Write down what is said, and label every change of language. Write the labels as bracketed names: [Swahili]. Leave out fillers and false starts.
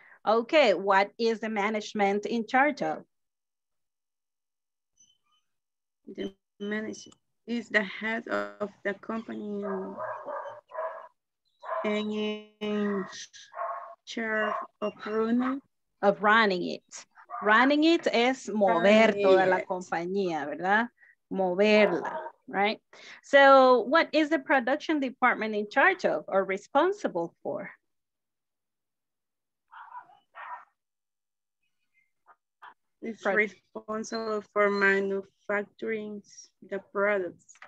[English] Okay, what is the management in charge of? The manager is the head of the company and in charge of running. Of running it. Running it [Spanish] es mover toda la compañía, ¿verdad? Moverla, right? [English] So what is the production department in charge of or responsible for? It's responsible for manufacturing the products.